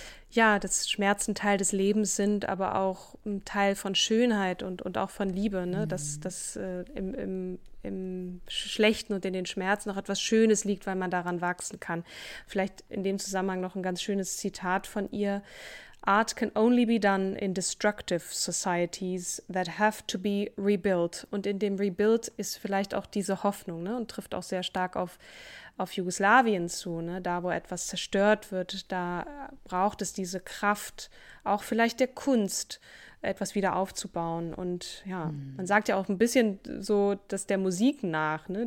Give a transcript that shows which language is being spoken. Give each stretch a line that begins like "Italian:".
German: Ja, dass Schmerzen Teil des Lebens sind, aber auch ein Teil von Schönheit und auch von Liebe. Ne? Dass im Schlechten und in den Schmerzen noch etwas Schönes liegt, weil man daran wachsen kann. Vielleicht in dem Zusammenhang noch ein ganz schönes Zitat von ihr.
English: Art can only be done in destructive societies that have to be rebuilt.
German: Und in dem Rebuild ist vielleicht auch diese Hoffnung, ne? Und trifft auch sehr stark auf Jugoslawien zu. Ne? Da, wo etwas zerstört wird, da braucht es diese Kraft, auch vielleicht der Kunst, etwas wieder aufzubauen. Und ja, man sagt ja auch ein bisschen so, dass der Musik nach, ne?